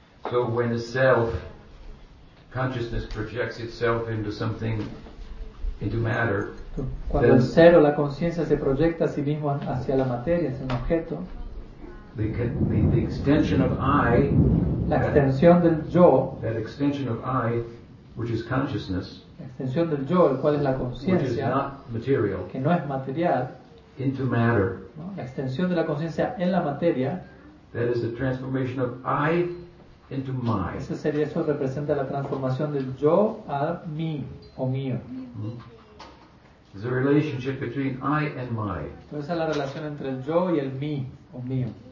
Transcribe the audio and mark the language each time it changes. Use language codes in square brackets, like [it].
[en] So when the self, consciousness projects itself into something, into matter. [es] Cuando el ser o la conciencia se proyecta a sí mismo hacia la materia, hacia un objeto. [en] The extension of I. [es] La extensión del yo. [en] That extension of I, which is consciousness. [es] La extensión del yo, el cual es la conciencia. [en] Which is not material. [es] Que no es material. [en] Into matter. [es] ¿No? La extensión de la conciencia en la materia. [en] That is the transformation of I into my. [es] Eso sería, eso representa la transformación del yo a mí o mío. [en] There's a relationship between I and my. [es] Entonces es la relación entre el yo y el mí o mío.